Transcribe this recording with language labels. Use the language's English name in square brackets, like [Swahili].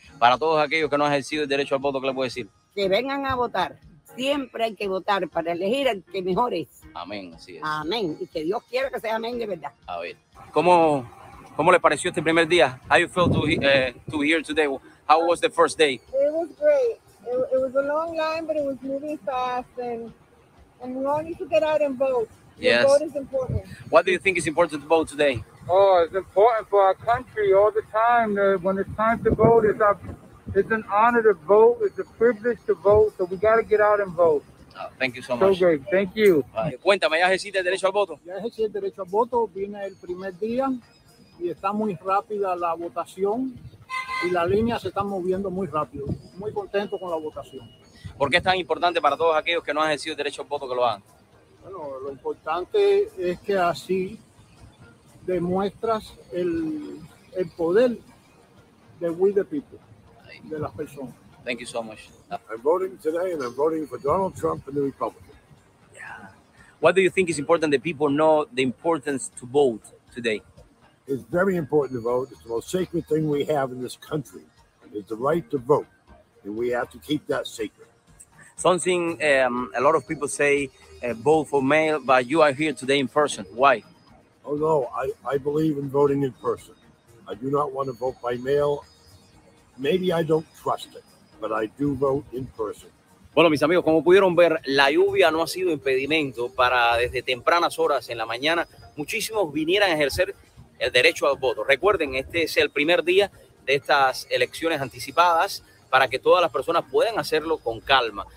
[Spanish] Para todos aquellos que no han ejercido el derecho al voto, ¿qué le puedo decir? Que que vengan a votar. Siempre hay que votar para elegir al que mejor es. Amén, así es. Amén, y que Dios quiera que sea amén de verdad. A ver, ¿cómo le pareció este primer día? [English] How you feel to hear today? How was the first day? It was great. It was a long line, but it was moving fast, and we all need to get out and vote. Yes. Vote is important. What do you think is important to vote today? Oh, it's important for our country all the time. When it's time to vote, it's an honor to vote. It's a privilege to vote. So we got to get out and vote. Thank you so much. So great. Thank you. [Spanish] Cuéntame, ¿ya ejerciste el derecho al voto? Ya ejercí el derecho al voto. Vine el primer día y está muy rápida la votación y las líneas se están moviendo muy rápido. Muy contento con la votación. ¿Por qué es tan importante para todos aquellos que no han ejercido el derecho al voto que lo hagan? Bueno, lo importante es que así demuestras el poder de [English] we the people, [Spanish] de las personas. [English] Thank you so much. I'm voting today and I'm voting for Donald Trump and the Republicans. Yeah. What do you think is important that people know the importance to vote today? It's very important to vote. It's the most sacred thing we have in this country. It's the right to vote. And we have to keep that sacred. Something a lot of people say, vote for mail, but you are here today in person. Why? Oh, no. I believe in voting in person. I do not want to vote by mail. Maybe I don't trust it. But I do vote in person. [Spanish] Bueno, mis amigos, como pudieron ver, la lluvia no ha sido impedimento para desde tempranas horas en la mañana muchísimos vinieran a ejercer el derecho al voto. Recuerden, este es el primer día de estas elecciones anticipadas para que todas las personas puedan hacerlo con calma.